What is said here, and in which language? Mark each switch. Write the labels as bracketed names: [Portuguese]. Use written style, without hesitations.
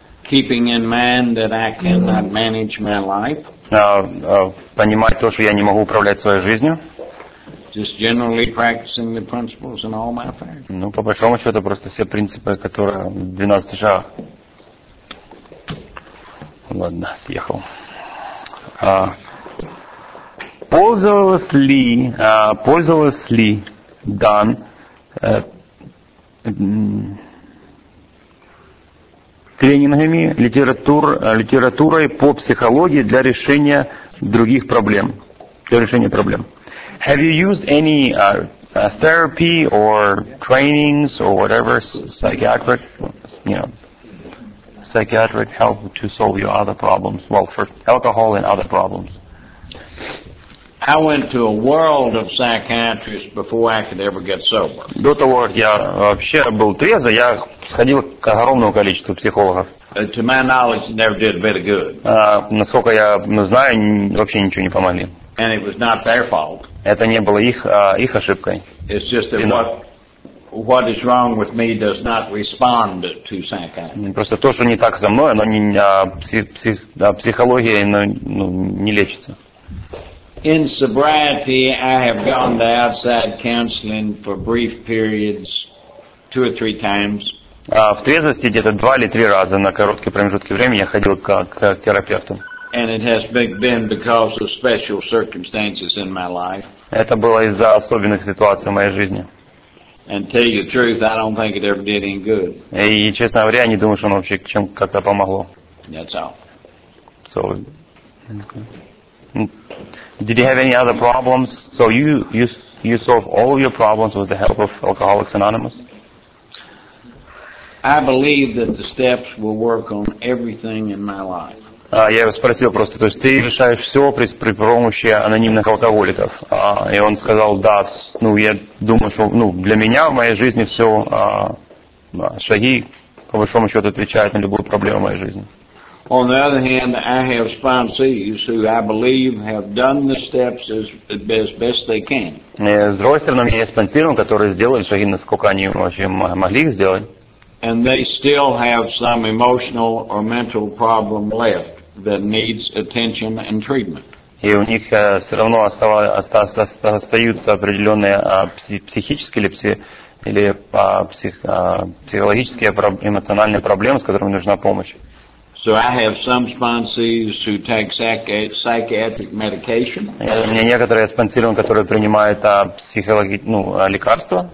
[English] Keeping in mind that I cannot manage my life. [Russian] Понимать то, что я не могу управлять своей жизнью. [English] Just generally practicing the principles in all my affairs. [Russian] Ну, по большому счету, просто все принципы, которые в 12 шагах. Ладно, съехал. Пользовалась ли Дан тренингами, литературой по психологии для решения других проблем? Для решения проблем. [English] Have you used any therapy or trainings or whatever psychiatric help to solve your other problems? Well, for alcohol and other problems. I went to a world of psychiatrists before I could ever get sober. [Russian] До того, как я вообще был трезвый, я сходил к огромному количеству психологов. [English] To my knowledge, it never did a bit of good. [Russian] Насколько я знаю, вообще ничего не помогли. [English] And it was not their fault. [Russian] Это не было их ошибкой. [English] It's just that what is wrong with me does not respond to psychiatry. [Russian] Просто то, что не так со мной, оно не психология, ну, не лечится. [English] In sobriety, I have gone to outside counseling for brief periods, 2 or 3 times. [Russian] В трезвости где-то 2 или 3 раза на короткий промежуток времени я ходил к терапевту. [English] And it has been because of special circumstances in my life. [Russian] Это было из-за особенных ситуаций в моей жизни. [English] And tell you the truth, I don't think it ever did any good. [Russian] И честно говоря, я не думаю, что оно вообще чем как-то помогло. [English] That's all. So, okay. Did you have any other problems? So you solve all of your problems with the help of Alcoholics Anonymous? I believe that the steps will work on everything in my life. [Russian] Я его спросил просто, то есть ты решаешь все при помощи анонимных алкоголиков? И он сказал, да, ну, я думаю, что, ну, для меня в моей жизни все шаги, по большому счету, отвечают на любую проблему в моей жизни. [English] On the other hand, I have sponsees who I believe have done the steps as best they can. [Russian] С другой стороны, у меня есть спонсоры, которые сделали шаги, насколько они вообще могли их сделать. [English] And they still have some emotional or mental problem left that needs attention and treatment. [Russian] И у них все равно остаются определенные психические психологические эмоциональные проблемы, с которыми нужна помощь. [English] So I have some sponsees who take psychiatric medication. [Russian] У меня некоторые спонсоры, которые принимают лекарства.